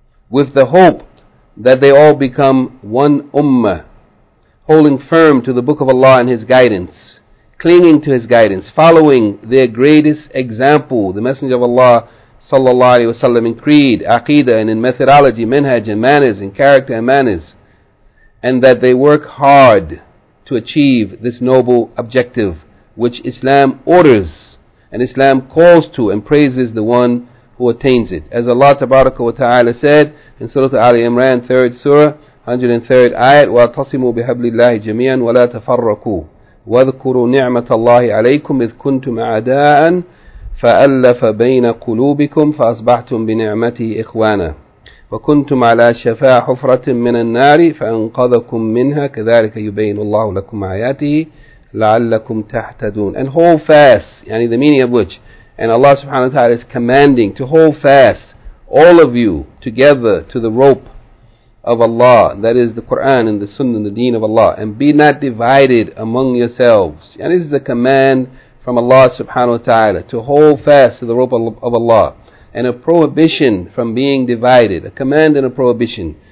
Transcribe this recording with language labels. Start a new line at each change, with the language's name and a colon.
English: with the hope that they all become one ummah, holding firm to the Book of Allah and His guidance, clinging to His guidance, following their greatest example, the Messenger of Allah sallallahu alaihi wasallam, in creed, aqidah, and in methodology, manhaj, and manners, in character and manners, and that they work hard to achieve this noble objective, which Islam orders, and Islam calls to and praises the one who attains it. As Allah tabaraka wa ta'ala said in Surah Ali Imran, 3rd Surah, 103rd ayat,
Arabic: وَاتَصِمُوا بِحَبْلِ اللَّهِ جَمِيعًا وَلَا تَفَرَّقُوا وَاذْكُرُوا نِعْمَةَ اللَّهِ عَلَيْكُمْ إِذْ كُنْتُمْ أَعْدَاءً فَأَلَّفَ بَيْنَ قُلُوبِكُمْ فَأَصْبَحْتُمْ بِنِعْمَتِهِ إِخْوَانًا وَكُنْتُمْ عَلَى شَفَا حُفْرَةٍ مِنَ النَّارِ فَأَنْقَذَكُمْ مِنْهَا كَذَلِكَ يُبَيِّنُ اللَّهُ لَكُمْ آيَاتِهِ لَعَلَّكُمْ تَهْتَدُونَ.
English: And hold fast, yani, the meaning of which, and Allah subhanahu wa ta'ala is commanding to hold fast, all of you together, to the rope of Allah, that is the Quran and the Sunnah and the Deen of Allah, and be not divided among yourselves. And this is a command from Allah subhanahu wa ta'ala to hold fast to the rope of Allah, and a prohibition from being divided, a command and a prohibition.